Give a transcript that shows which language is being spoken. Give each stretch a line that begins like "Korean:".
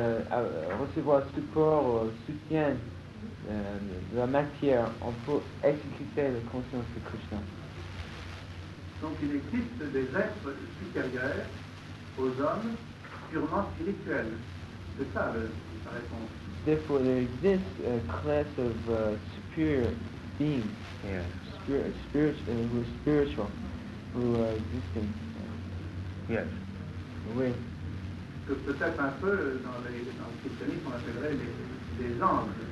French: Sans recevoir support ou soutien de la matière, on peut exécuter la conscience de Krishna. Donc il existe des êtres supérieurs aux hommes purement spirituels. C'est ça la réponse.
English: Therefore, there exists a class of superior beings, who are spiritual, who are existing. Yes.
French: Oui. Que peut-être un peu dans le christianisme, on appellerait des anges.